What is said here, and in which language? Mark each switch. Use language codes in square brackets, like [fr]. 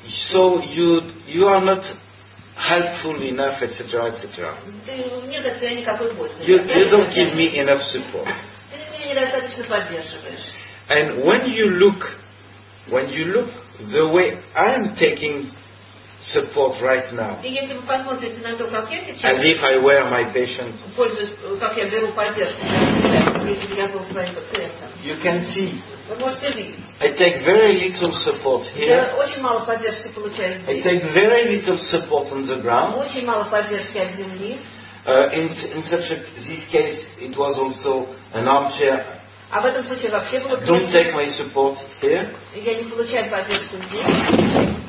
[en] So you are not helpful enough, etc., etc. [ru] Нет, это я никакой пользы. [en] You don't give me enough support. [ru] Ты меня недостаточно поддерживаешь. [en] And when you look the way I am taking support right now. [ru] И если вы посмотрите на то, как я сейчас. [en] As if I were my patient. [ru] Пользуюсь, как я беру поддержку, если я был своим пациентом. [en] You can see. [ru] Вы можете видеть. [en] I take very little support here. [ru] Я очень мало поддержки получаю здесь. [en] I take very little support on the ground. [ru] Очень мало поддержки от земли. [en] In such a this case, it was also an armchair. [ru] А в этом случае вообще было. [en] Don't take my support here. [ru] Я не получаю поддержку здесь.